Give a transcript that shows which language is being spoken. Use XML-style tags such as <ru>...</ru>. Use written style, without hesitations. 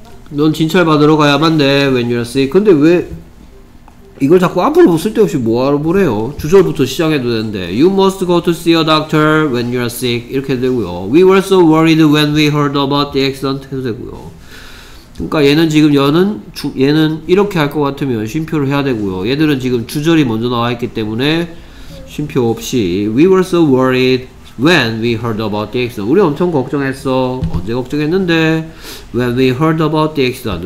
<ko>넌 진찰 받으러 가야만 돼.</ko> <en>When you're sick.</en> <ko>근데 왜 이걸 자꾸 앞으로 쓸데없이 뭐하러 보래요? 주절부터 시작해도 되는데</ko> <en>You must go to see a doctor when you're sick</en> <ko>이렇게 해도 되고요.</ko> <en>We were so worried when we heard about the accident</en> <ko>해도 되고요. 그러니까 얘는 지금 얘는 이렇게 할 것 같으면 쉼표를 해야 되고요. 얘들은 지금 주절이 먼저 나와있기 때문에 쉼표 없이</ko> <en>We were so worried when we heard about the accident.</en> <ko>우리 엄청 걱정했어. 언제 걱정했는데?</ko> <en>When we heard about the accident.</en>